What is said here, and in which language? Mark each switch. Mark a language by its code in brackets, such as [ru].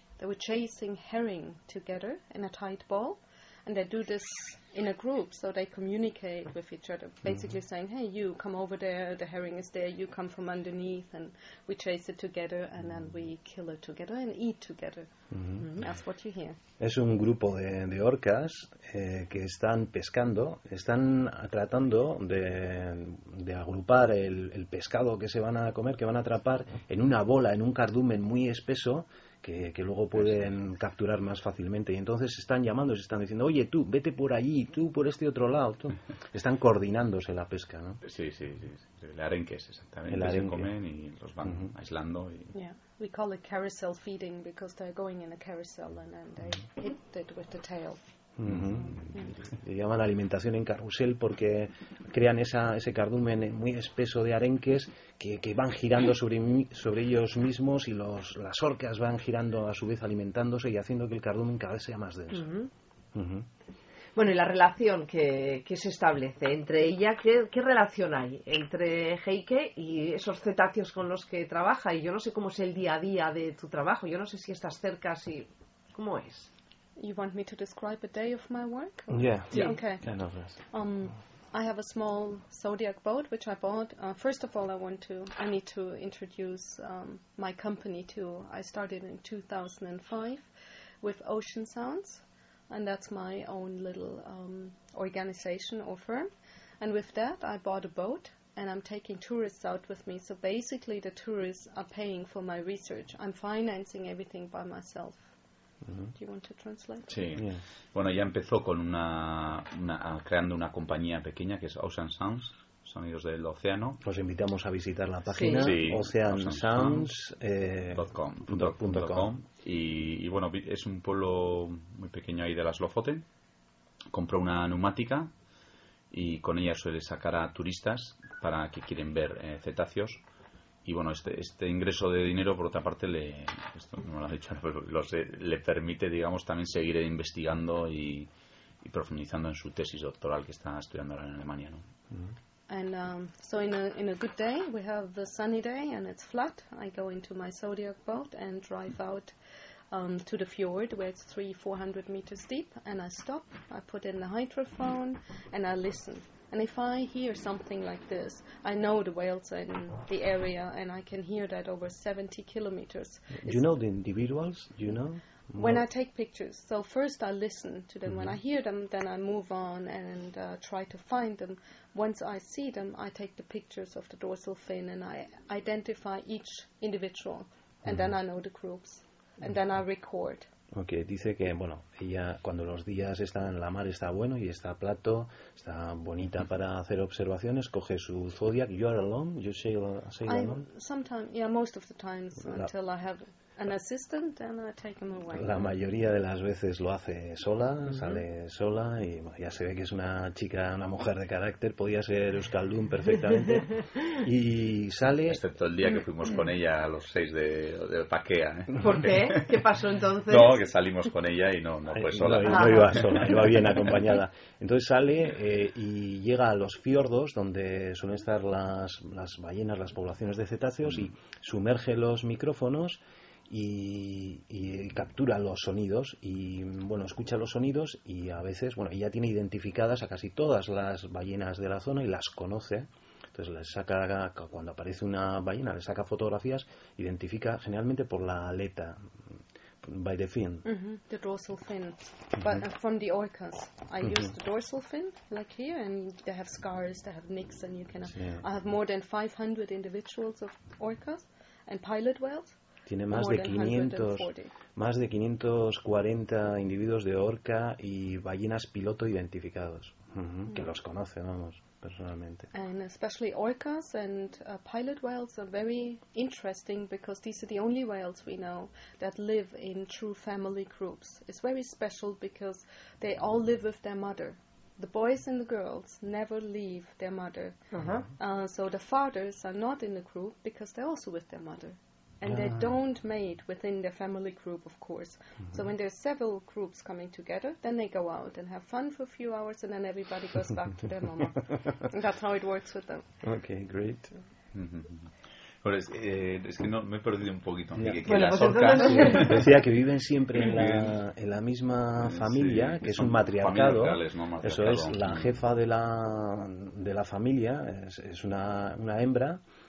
[en] They were chasing herring together in a tight ball, and they do this in a group, so they communicate with each other, basically saying, hey, you come over there, the herring is there, you come from underneath, and we chase it together, and then we kill it together and eat together. That's what you hear. [es] Es un grupo de orcas que están pescando, están tratando de agrupar el pescado que se van a comer, que van a atrapar en una bola, en un cardumen muy espeso, que luego pueden capturar más fácilmente. Y entonces están llamando, se están diciendo, oye, tú, vete por allí, tú por este otro lado, tú. Están coordinándose la pesca, ¿no? Sí. El arenque es exactamente. El arenque. Se comen y los van aislando. Y... [en] Yeah, we call it carousel feeding because they're going in a carousel and then they hit it with the tail. [es] Le llaman alimentación en carrusel porque crean ese cardumen muy espeso de arenques que van girando sobre ellos mismos, y las orcas van girando a su vez alimentándose y haciendo que el cardumen cada vez sea más denso. Bueno, y la relación que se establece entre ella, ¿qué relación hay entre Heike y esos cetáceos con los que trabaja? Y yo no sé cómo es el día a día de tu trabajo, yo no sé si estás cerca, si cómo es. [en] You want me to describe a day of my work? Yeah. Okay. Kind of, yes. I have a small Zodiac boat, which I bought. First of all, I need to introduce my company, too. I started in 2005 with Ocean Sounds, and that's my own little organization or firm. And with that, I bought a boat, and I'm taking tourists out with me. So basically, the tourists are paying for my research. I'm financing everything by myself. Do you want to translate? [es] Sí. Bueno, ya empezó con creando una compañía pequeña que es Ocean Sounds, sonidos del océano. Os invitamos a visitar la página oceansounds.com. Y bueno, es un pueblo muy pequeño ahí de las Lofoten. Compró una neumática y con ella suele sacar a turistas para que quieren ver cetáceos. Y bueno, este ingreso de dinero, por otra parte, le permite, digamos, también seguir investigando y profundizando en su tesis doctoral que está estudiando ahora en Alemania, ¿no? [en] And so in a good day, we have a sunny day and it's flat. I go into my Zodiac boat and drive out to the fjord where it's 300-400 meters deep, and I stop, I put in the hydrophone and I listen. And if I hear something like this, I know the whales in the area, and I can hear that over 70 kilometers. Do you know the individuals? Do you know? When I take pictures, so first I listen to them. Mm-hmm. When I hear them, then I move on and try to find them. Once I see them, I take the pictures of the dorsal fin and I identify each individual. And mm-hmm. then I know the groups. And mm-hmm. then I record. [es] Okay, dice que, bueno, ella cuando los días están en la mar está bueno y está plato, está bonita mm-hmm. para hacer observaciones, coge su zodiac. [en] You are alone? You sail alone? Sometimes, yeah, most of the times until I have... An assistant and I take him away. [es] La mayoría de las veces lo hace sola, mm-hmm. sale sola y bueno, ya se ve que es una chica, una mujer de carácter, podía ser Euskaldun perfectamente y sale... Excepto el día que fuimos con ella a los 6 de Paquea. ¿Por qué? ¿Qué pasó entonces? No, que salimos con ella y no fue sola. No iba sola, iba bien acompañada. Entonces sale y llega a los fiordos donde suelen estar las ballenas, las poblaciones de cetáceos mm-hmm. y sumerge los micrófonos. Y captura los sonidos y bueno, escucha los sonidos y a veces, bueno, ella tiene identificadas a casi todas las ballenas de la zona y las conoce, entonces les saca, cuando aparece una ballena le saca fotografías, identifica generalmente por la aleta, [en] by the fin, mm-hmm, the dorsal fin, but from the orcas I mm-hmm. use the dorsal fin, like here, and they have scars, they have nicks, and you can have, yeah. I have more than 500 individuals of orcas and pilot whales. [es] Tiene más de 540 individuos de orca y ballenas piloto identificados, mm-hmm. que los conoce, vamos, personalmente. [en] And especially orcas and pilot whales are very interesting because these are the only whales we know that live in true family groups. It's very special because they all live with their mother. The boys and the girls never leave their mother. Uh-huh. So the fathers are not in the group because they're also with their mother. And they don't mate within their family group, of course. Mm-hmm. So when there's several groups coming together, then they go out and have fun for a few hours, and then everybody goes back to their mama. And that's how it works with them. Okay, great. Mm-hmm. [es] Pero es que no, me he perdido un poquito. [en] Yeah. [es] Que bueno, las orcas... Decía que viven siempre en la misma familia, sí, que es un matriarcado. ¿No? Eso es, la jefa de la familia es una hembra.